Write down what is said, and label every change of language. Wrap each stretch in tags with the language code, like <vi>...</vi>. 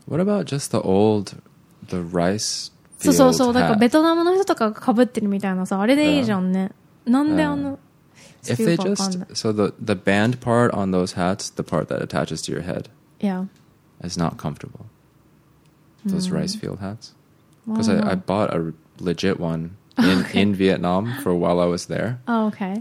<en>What about just the old, the rice field hat?</en> <ja>そうそうそう、だからベトナムの人とかがかぶってるみたいなさ、あれでいいじゃんね。なんであの、</ja> <en>If they just, so the band part on those hats, the part that attaches to your head, yeah, is not comfortable. Those rice field hats. Because I bought a legit one in,、okay. in Vietnam for while I was there. Oh, okay.</en>